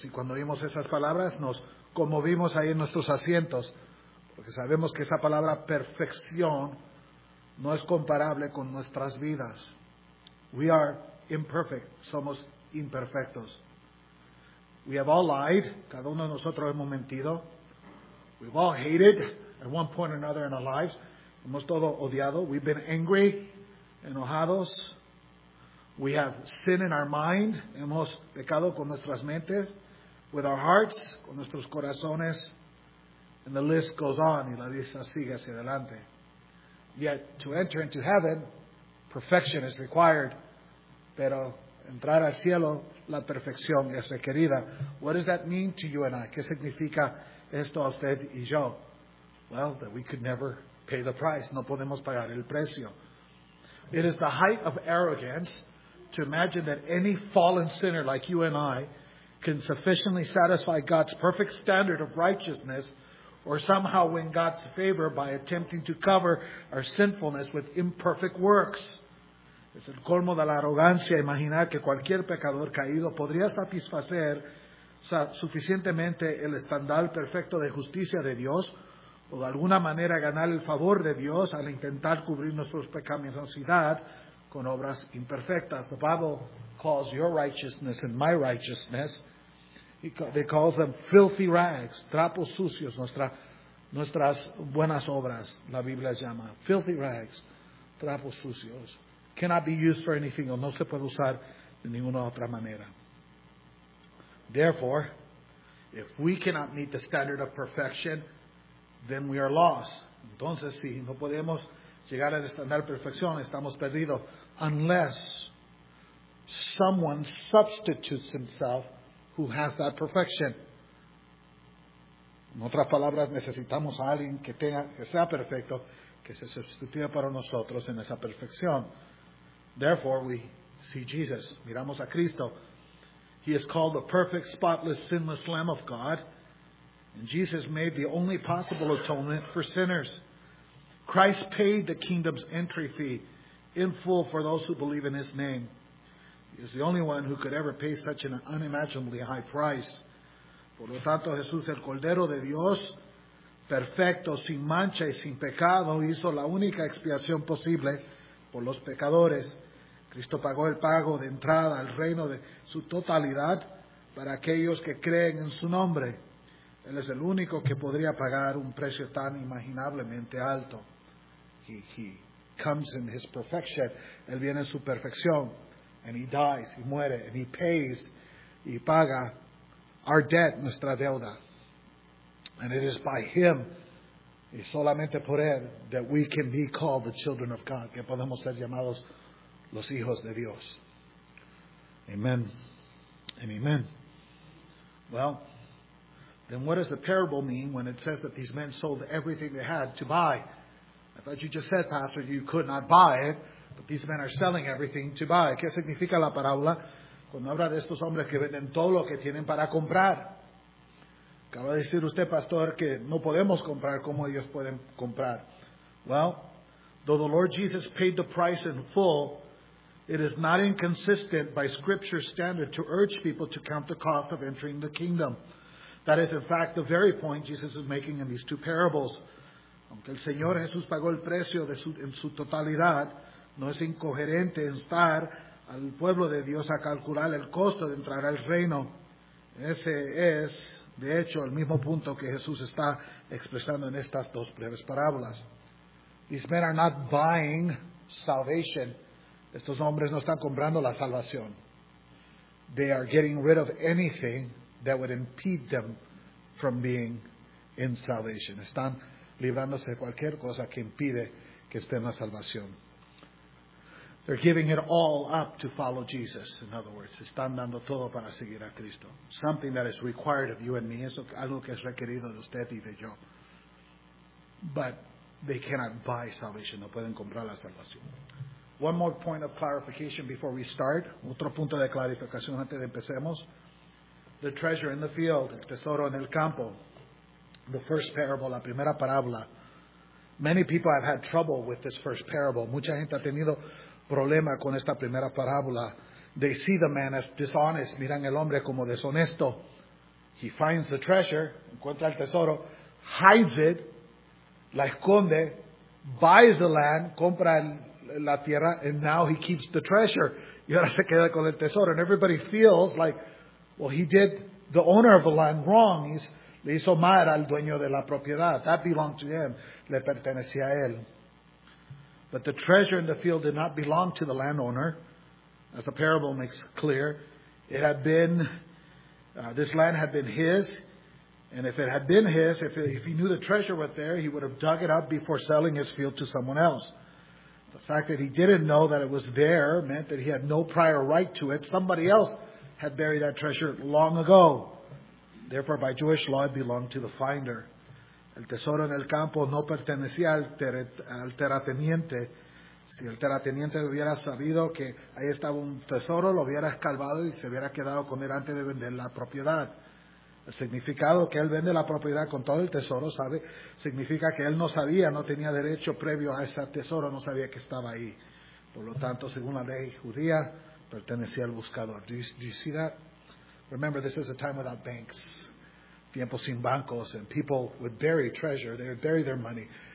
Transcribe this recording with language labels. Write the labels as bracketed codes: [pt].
[es] Y cuando vimos esas palabras, nos conmovimos ahí en nuestros asientos, porque sabemos que esa palabra perfección no es comparable con nuestras vidas. [en] We are imperfect. [es] Somos imperfectos. [en] We have all lied. [es] Cada uno de nosotros hemos mentido. [en] We've all hated at one point or another in our lives. [es] Hemos todo odiado. [en] We've been angry, [es] enojados. [en] We have sin in our mind. [es] Hemos pecado con nuestras mentes. [en] With our hearts, [es] con nuestros corazones. [en] And the list goes on. [es] Y la lista sigue hacia adelante. [en] Yet, to enter into heaven, perfection is required. [es] Pero entrar al cielo, la perfección es requerida. [en] What does that mean to you and I? [es] ¿Qué significa esto a usted y yo? [en] Well, that we could never pay the price. [es] No podemos pagar el precio. [en] It is the height of arrogance to imagine that any fallen sinner like you and I can sufficiently satisfy God's perfect standard of righteousness or somehow win God's favor by attempting to cover our sinfulness with imperfect works. [es] Es el colmo de la arrogancia imaginar que cualquier pecador caído podría satisfacer suficientemente el estándar perfecto de justicia de Dios o de alguna manera ganar el favor de Dios al intentar cubrir nuestra pecaminosidad con obras imperfectas. [en] The Bible calls your righteousness and my righteousness, they call them filthy rags, [es] trapos sucios, nuestras buenas obras, la Biblia llama. [en] Filthy rags, [es] trapos sucios. [en] Cannot be used for anything, [es] o no se puede usar de ninguna otra manera. [en] Therefore, if we cannot meet the standard of perfection, then we are lost. [es] Entonces, si no podemos llegar al estándar de perfección, estamos perdidos. [en] Unless someone substitutes himself who has that perfection. [es] En otras palabras, necesitamos a alguien que sea perfecto, que se sustituya para nosotros en esa perfección. [en] Therefore, we see Jesus. [es] Miramos a Cristo. [en] He is called the perfect, spotless, sinless Lamb of God. And Jesus made the only possible atonement for sinners. Christ paid the kingdom's entry fee in full for those who believe in his name. He is the only one who could ever pay such an unimaginably high price. [es] Por lo tanto, Jesús, el Cordero de Dios, perfecto, sin mancha y sin pecado, hizo la única expiación posible por los pecadores. Cristo pagó el pago de entrada al reino de su totalidad para aquellos que creen en su nombre. Él es el único que podría pagar un precio tan imaginablemente alto. [en] He comes in his perfection. [es] Él viene en su perfección. [en] And he dies, [es] y muere, [en] and he pays, [es] y paga [en] our debt, [es] nuestra deuda. [en] And it is by him, [es] y solamente por él, [en] that we can be called the children of God, [es] que podemos ser llamados los hijos de Dios. [en] Amen and amen. Well, then what does the parable mean when it says that these men sold everything they had to buy? I thought you just said, Pastor, you could not buy it. But these men are selling everything to buy. [es] ¿Qué significa la parábola cuando habla de estos hombres que venden todo lo que tienen para comprar? Acaba de decir usted, pastor, que no podemos comprar como ellos pueden comprar. [en] Well, though the Lord Jesus paid the price in full, it is not inconsistent by Scripture's standard to urge people to count the cost of entering the kingdom. That is, in fact, the very point Jesus is making in these two parables. [es] Aunque el Señor Jesús pagó el precio de su, en su totalidad, no es incoherente instar al pueblo de Dios a calcular el costo de entrar al reino. Ese es, de hecho, el mismo punto que Jesús está expresando en estas dos breves parábolas. [en] These men are not buying salvation. [es] Estos hombres no están comprando la salvación. [en] They are getting rid of anything that would impede them from being in salvation. [es] Están librándose de cualquier cosa que impide que estén en la salvación. [en] They're giving it all up to follow Jesus. In other words, [es] están dando todo para seguir a Cristo. [en] Something that is required of you and me. [es] Es algo que es requerido de usted y de yo. [en] But they cannot buy salvation. [es] No pueden comprar la salvación. [en] One more point of clarification before we start. [es] Otro punto de clarificación antes de empecemos. [en] The treasure in the field. [es] El tesoro en el campo. [en] The first parable. [es] La primera parábola. [en] Many people have had trouble with this first parable. [es] Mucha gente ha tenido problema con esta primera parábola. [en] They see the man as dishonest. [es] Miran el hombre como deshonesto. [en] He finds the treasure, [es] encuentra el tesoro, [en] hides it, [es] la esconde, [en] buys the land, [es] compra la tierra, [en] and now he keeps the treasure. [es] Y ahora se queda con el tesoro. [en] And everybody feels like, well, he did the owner of the land wrong. [es] Le hizo mal al dueño de la propiedad. [en] That belonged to him. [es] Le pertenecía a él. [en] But the treasure in the field did not belong to the landowner, as the parable makes clear. It had been, this land had been his, and if it had been his, if he knew the treasure was there, he would have dug it up before selling his field to someone else. The fact that he didn't know that it was there meant that he had no prior right to it. Somebody else had buried that treasure long ago. Therefore, by Jewish law, it belonged to the finder. [es] El tesoro en el campo no pertenecía al terrateniente. Si el terrateniente hubiera sabido que ahí estaba un tesoro, lo hubiera escarbado y se hubiera quedado con él antes de vender la propiedad. El significado que él vende la propiedad con todo el tesoro, ¿sabe? Significa que él no sabía, no tenía derecho previo a ese tesoro, no sabía que estaba ahí. Por lo tanto, según la ley judía, pertenecía al buscador. [en] Do you see that? Remember, this is a time without banks. [es] Tiempos sin bancos, [en] and people would bury treasure. They would bury their money.